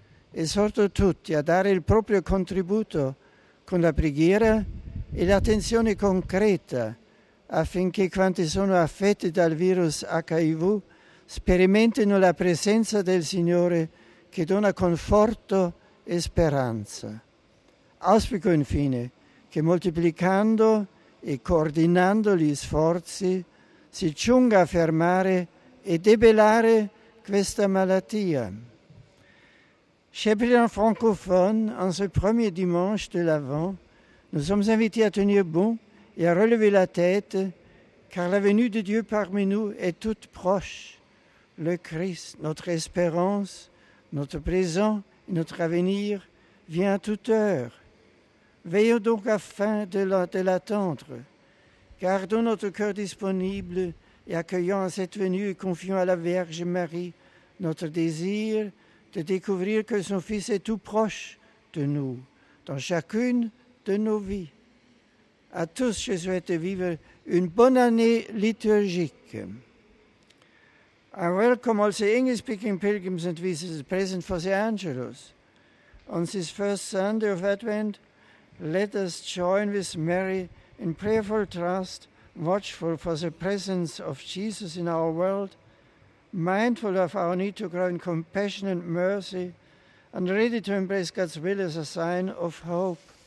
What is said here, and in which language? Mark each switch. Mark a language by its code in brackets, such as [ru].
[it] Esorto tutti a dare il proprio contributo con la preghiera e l'attenzione concreta affinché quanti sono affetti dal virus HIV sperimentino la presenza del Signore che dona conforto e speranza. Auspico infine che moltiplicando e coordinando gli sforzi si giunga a fermare e debellare questa malattia. [fr] Chers brillants francophones, en ce premier dimanche de l'Avent, nous sommes invités à tenir bon et à relever la tête, car la venue de Dieu parmi nous est toute proche. Le Christ, notre espérance, notre présent et notre avenir, vient à toute heure. Veillons donc afin de l'attendre. Gardons notre cœur disponible et accueillons à cette venue et confions à la Vierge Marie notre désir de découvrir que son Fils est tout proche de nous, dans chacune de nos vies. À tous, je souhaite vivre une bonne année liturgique. [en] I welcome all the English-speaking pilgrims and visitors present for the Angelus. On this first Sunday of Advent, let us join with Mary in prayerful trust, watchful for the presence of Jesus in our world, mindful of our need to grow in compassion and mercy, and ready to embrace God's will as a sign of hope.